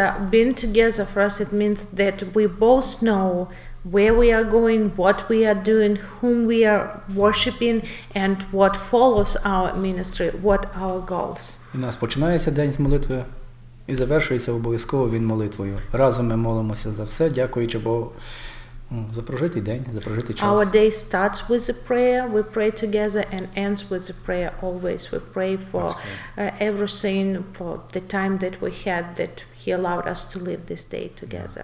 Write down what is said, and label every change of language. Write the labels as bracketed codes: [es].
[en] Being together for us, it means that we both know where we are going, what we are doing, whom we are worshiping, and what follows our ministry, what our goals. [uk] У нас починається день з молитви. І завершується обов'язково він молитвою. Разом ми молимося за все, дякуючи Богу за прожитий день, за прожитий час. [en] Our day starts with a prayer. We pray together and ends with a prayer always. We pray for everything, for the time that we had, that he allowed us to live this day together.